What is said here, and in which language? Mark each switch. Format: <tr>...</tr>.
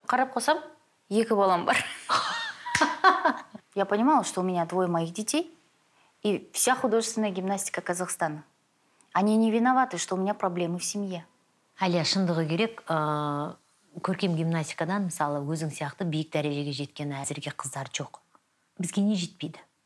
<kk>қарап қосам, екі балам бар.</kk> <ru>Я понимала, что у меня двое моих детей и вся художественная гимнастика Казахстана. Они не виноваты, что у меня проблемы в семье.</ru> <kk>Әлі шындығы керек, көркем гимнастикадан, мысалы, өзің сияқты биік дәрежеге жеткен әзірге қыздар жоқ. Бізге не жетпейді?</kk>